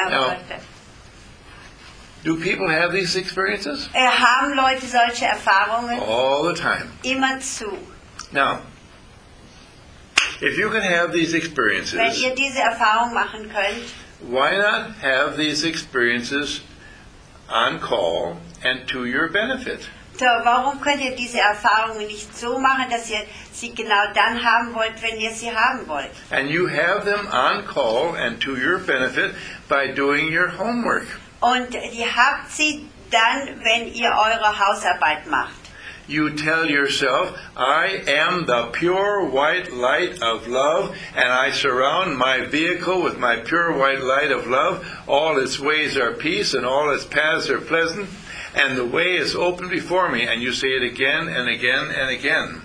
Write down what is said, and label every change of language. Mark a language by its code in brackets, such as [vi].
[en] Now, do people have these experiences? [de] Haben Leute solche Erfahrungen? [en] All the time. [de] Immerzu. [en] Now, if you can have these experiences, [de] wenn ihr diese Erfahrung machen könnt, [en] why not have these experiences on call and to your benefit? [de] So, warum könnt ihr diese Erfahrungen nicht so machen, dass ihr sie genau dann haben wollt, wenn ihr sie haben wollt? [en] And you have them on call and to your benefit by doing your homework. [de] Und ihr habt sie dann, wenn ihr eure Hausarbeit macht. [en] You tell yourself, I am the pure white light of love, and I surround my vehicle with my pure white light of love. All its ways are peace, and all its paths are pleasant. And the way is open before me, and you say it again and again and again.